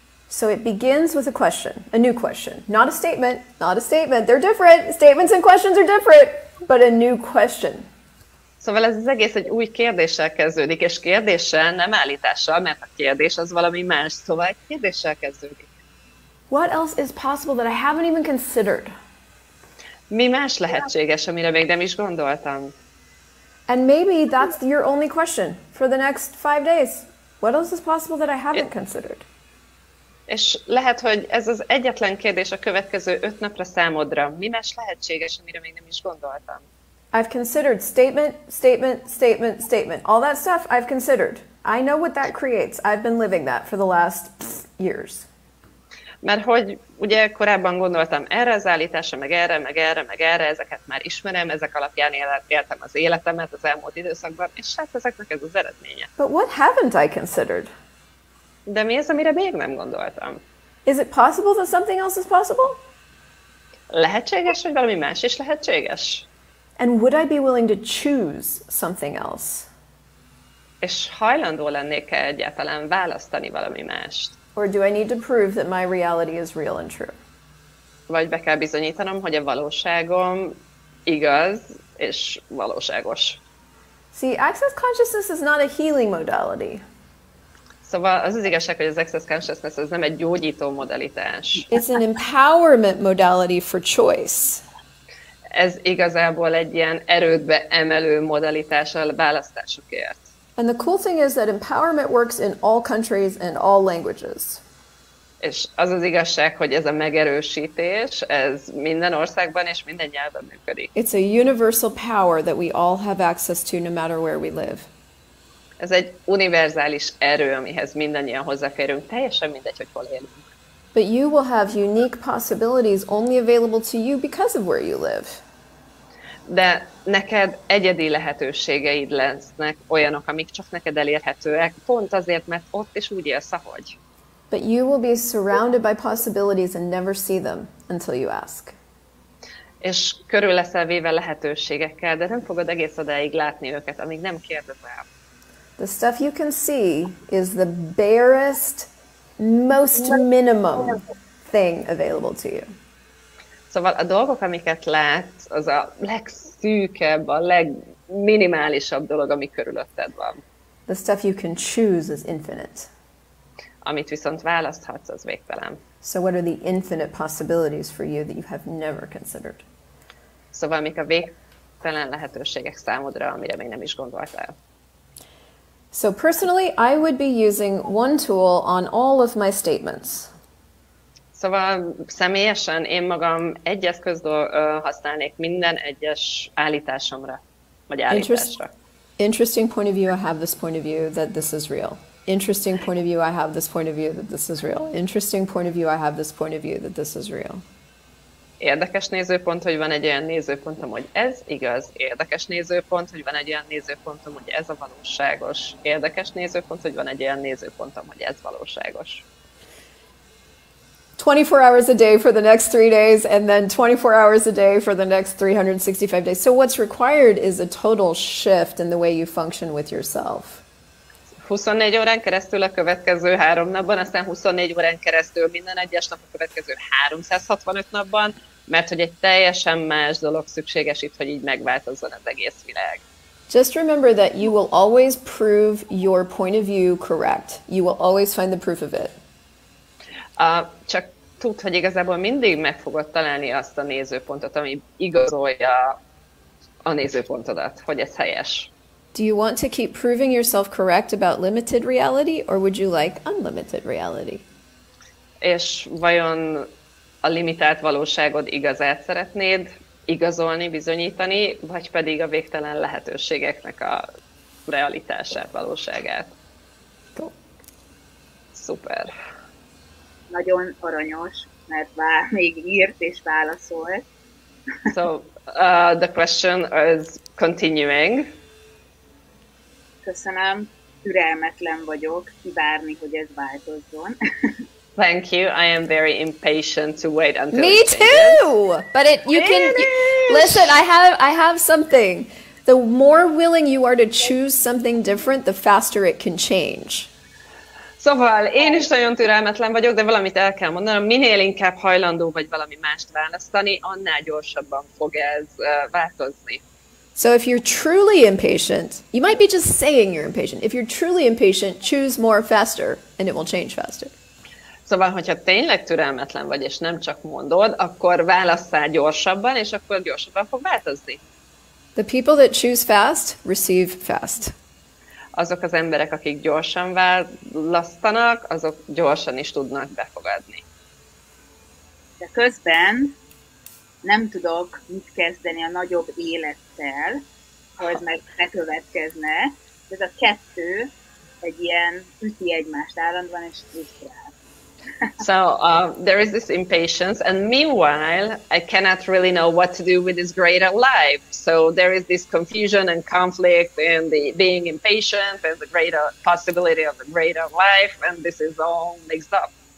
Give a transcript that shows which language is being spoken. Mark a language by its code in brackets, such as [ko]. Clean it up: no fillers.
[en] So it begins with a question, a new question, not a statement, not a statement. They're different. Statements and questions are different, but a new question. [hu] Szóval ez az egész egy új kérdéssel kezdődik, és kérdéssel, nem állítással, mert a kérdés az valami más, szóval egy kérdéssel kezdődik. [en] What else is possible that I haven't even considered? [hu] Mi más lehetséges, amire még nem is gondoltam? [en] And maybe that's your only question for the next 5 days. What else is possible that I haven't considered? [hu] És lehet, hogy ez az egyetlen kérdés a következő 5 napra számodra. Mi más lehetséges, amire még nem is gondoltam? [en] I've considered statement, statement, statement, statement. All that stuff I've considered. I know what that creates. I've been living that for the last years. [hu] Mert hogy ugye korábban gondoltam erre az állításra, meg erre, meg erre, meg erre, ezeket már ismerem, ezek alapján éltem az életemet az elmúlt időszakban, és hát ezeknek ez az eredménye. [en] But what haven't I considered? [hu] De mi az, amire még nem gondoltam? [en] Is it possible that something else is possible? [hu] Lehetséges, hogy valami más is lehetséges? [en] And would I be willing to choose something else? [hu] És hajlandó lennék-e egyáltalán választani valami mást? [en] Or do I need to prove that my reality is real and true? [hu] Vagy be kell bizonyítanom, hogy a valóságom igaz és valóságos. [en] See, access consciousness is not a healing modality. [hu] Szóval az az igazság, hogy az access consciousness ez nem egy gyógyító modalitás. [en] It's an empowerment modality for choice. [hu] Ez igazából egy ilyen erődbe emelő modalitás a választásokért. [en] And the cool thing is that empowerment works in all countries and all languages. [hu] És az az igazság, hogy ez a megerősítés, ez minden országban és minden nyelven működik. [en] It's a universal power that we all have access to no matter where we live. [hu] Ez egy univerzális erő, amihez mindannyian hozzáférünk, teljesen mindegy, hogy hol élünk. [en] But you will have unique possibilities only available to you because of where you live. [hu] De neked egyedi lehetőségeid lesznek olyanok, amik csak neked elérhetőek, pont azért, mert ott is úgy élsz, ahogy. [en] But you will be surrounded by possibilities and never see them until you ask. [hu] És körül leszel véve lehetőségekkel, de nem fogod egész odáig látni őket, amíg nem kérdezel. [en] The stuff you can see is the barest, most minimum thing available to you. [hu] Szóval a dolgok, amiket látsz, az a legszűkebb, a legminimálisabb dolog, ami körülötted van. [en] The stuff you can choose is infinite. [hu] Amit viszont választhatsz, az végtelen. [en] So what are the infinite possibilities for you that you have never considered? [hu] Szóval mik a végtelen lehetőségek számodra, amire még nem is gondoltál? [en] So personally, I would be using one tool on all of my statements. [hu] Szóval személyesen én magam egy eszközt használnék minden egyes állításomra, vagy állításra. [en] Interesting point of view, I have this point of view that this is real. Interesting point of view, I have this point of view that this is real. Interesting point of view, I have this point of view that this is real. [hu] Érdekes nézőpont, hogy van egy olyan nézőpontom, hogy ez igaz. Érdekes nézőpont, hogy van egy olyan nézőpontom, hogy ez a valóságos. Érdekes nézőpont, hogy van egy olyan nézőpontom, hogy ez valóságos. [en] 24 hours a day for the next 3 days, and then 24 hours a day for the next 365 days. So what's required is a total shift in the way you function with yourself. [hu] 24 órán keresztül a következő 3 napban, aztán 24 órán keresztül minden egyes nap a következő 365 napban, mert hogy egy teljesen más dolog szükséges itt, hogy így megváltozzon az egész világ. [en] Just remember that you will always prove your point of view correct. You will always find the proof of it. [hu] Csak tudd, hogy igazából mindig meg fogod találni azt a nézőpontot, ami igazolja a nézőpontodat, hogy ez helyes. [en] Do you want to keep proving yourself correct about limited reality, or would you like unlimited reality? [hu] És vajon a limitált valóságod igazát szeretnéd igazolni, bizonyítani, vagy pedig a végtelen lehetőségeknek a realitását, valóságát? [en] Cool. [hu] Szuper. Nagyon aranyos, mert még írt és válaszolt. [en] So, the question is continuing. [hu] Köszönöm, türelmetlen vagyok kivárni, hogy ez változzon. [en] Thank you. I am very impatient to wait until. Me too. But listen. I have something. The more willing you are to choose something different, the faster it can change. [hu] Szóval én is nagyon türelmetlen vagyok, de valamit el kell mondanom. Minél inkább hajlandó vagy valami mást választani, annál gyorsabban fog ez változni. [en] So if you're truly impatient, you might be just saying you're impatient. If you're truly impatient, choose more faster, and it will change faster. [hu] Szóval, hogyha tényleg türelmetlen vagy, és nem csak mondod, akkor válasszál gyorsabban, és akkor gyorsabban fog változni. [en] The people that choose fast, receive fast. [hu] Azok az emberek, akik gyorsan választanak, azok gyorsan is tudnak befogadni. De közben nem tudok mit kezdeni a nagyobb élettel, hogy meg bekövetkezne. Ez a kettő egy ilyen üti egymást állandóan, és frusztrál. [en] So there is this impatience, and meanwhile, I cannot really know what to do with this greater life. So there is this confusion and conflict in the being impatient and the greater possibility of a greater life, and this is all mixed up.